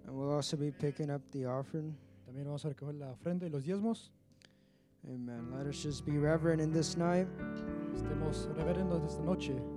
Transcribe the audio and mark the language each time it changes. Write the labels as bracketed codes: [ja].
[en] And we'll also be picking up the offering. [es] También vamos a recoger la ofrenda y los diezmos. [en] Amen. Let us just be reverent in this night. [es] Estemos reverendos esta noche.